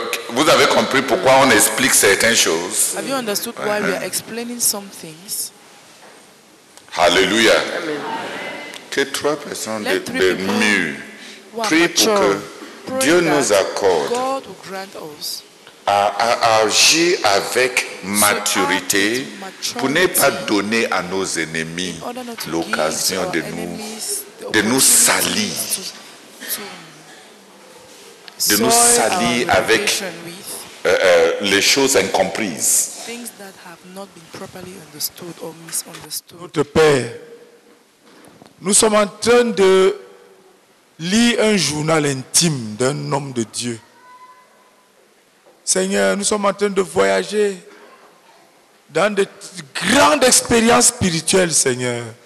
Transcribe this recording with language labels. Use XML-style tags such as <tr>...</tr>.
<fr>Vous avez compris pourquoi on explique certaines choses?</fr> <en>Have you understood why we are explaining some things? Hallelujah.</en> <fr>Que trois personnes de mieux prient pour que Dieu nous accorde à agir avec maturité pour ne pas donner à nos ennemis l'occasion de nous salir avec les choses incomprises.</fr> <en>Things that have not been properly understood or misunderstood.</en> <fr>Notre Père, nous sommes en train de lis un journal intime d'un homme de Dieu. Seigneur, nous sommes en train de voyager dans de grandes expériences spirituelles, Seigneur.</fr>